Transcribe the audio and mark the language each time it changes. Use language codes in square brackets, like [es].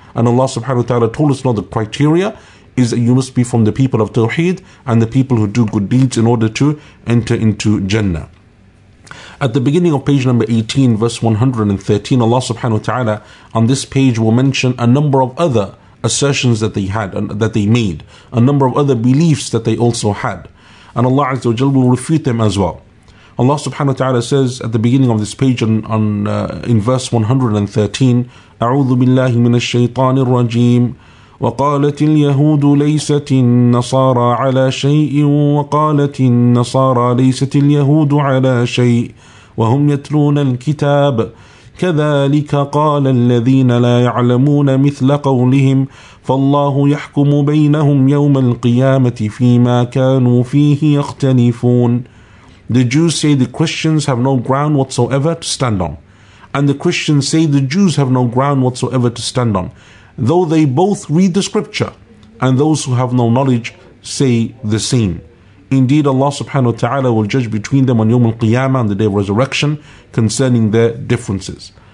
[en] And Allah subhanahu wa ta'ala told us now the criteria is that you must be from the people of Tawheed and the people who do good deeds in order to enter into Jannah. At the beginning of page number 18, verse 113, Allah subhanahu wa ta'ala on this page will mention a number of other assertions that they had and that they made, a number of other beliefs that they also had. And Allah Azza wa Jalla will refute them as well. Allah subhanahu wa ta'ala says at the beginning of this page in verse 113, [ar] أعوذ بالله من الشيطان الرجيم وقالت اليهود ليست النصارى على شيء وقالت النصارى ليست اليهود على شيء وهم يتلون الكتاب كذلك قال الذين لا يعلمون مثل قولهم فالله يحكم بينهم يوم القيامة فيما كانوا فيه يختلفون [en] The Jews say the Christians have no ground whatsoever to stand on. And the Christians say the Jews have no ground whatsoever to stand on. Though they both read the scripture, and those who have no knowledge say the same. Indeed, Allah subhanahu wa ta'ala will judge between them on Yawm al-Qiyamah and the Day of Resurrection concerning their differences.